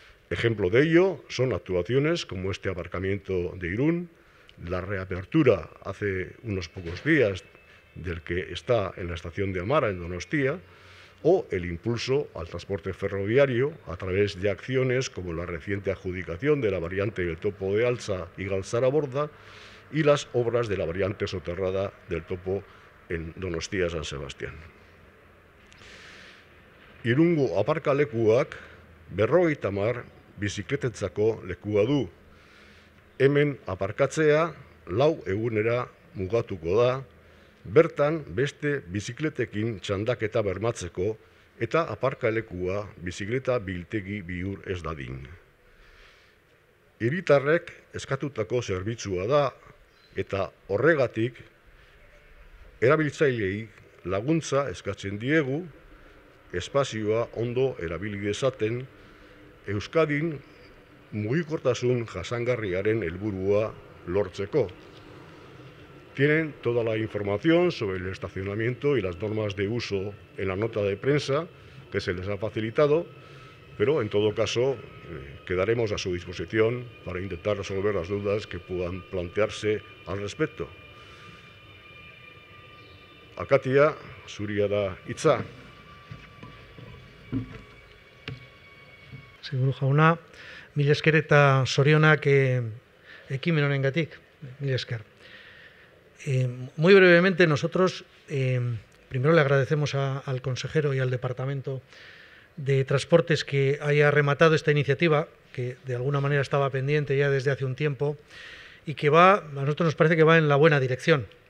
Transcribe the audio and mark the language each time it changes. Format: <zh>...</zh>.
<es>Ejemplo de ello son actuaciones como este aparcamiento de Irún, la reapertura hace unos pocos días del que está en la estación de Amara, en Donostia, o el impulso al transporte ferroviario a través de acciones como la reciente adjudicación de la variante del topo de Altza y Galtzaraborda y las obras de la variante soterrada del topo en Donostia San Sebastián.</es> <eu>Irungo aparkalekuak 50 bizikletentzako lekua du. Hemen aparkatzea 4 egunera mugatuko da, bertan beste bizikletekin txandaketa bermatzeko eta aparkalekua bizikleta biltegi bihur ez dadin. Hiritarrek eskatutako zerbitzua da eta horregatik erabiltzaileei laguntza eskatzen diegu espazioa ondo erabili dezaten Euskadin mugikortasun jasangarriaren helburua lortzeko.</eu> <es>Tienen toda la información sobre el estacionamiento y las normas de uso en la nota de prensa que se les ha facilitado, pero en todo caso quedaremos a su disposición para intentar resolver las dudas que puedan plantearse al respecto.</es> <eu>Akatia, zuria da hitza. Seguru jauna, mil esker eta sorionak ekimen honengatik, mil esker.</eu> <es>Muy brevemente, nosotros primero le agradecemos al consejero y al Departamento de Transportes que haya rematado esta iniciativa, que de alguna manera estaba pendiente ya desde hace un tiempo, y que va, a nosotros nos parece que va en la buena dirección,</es>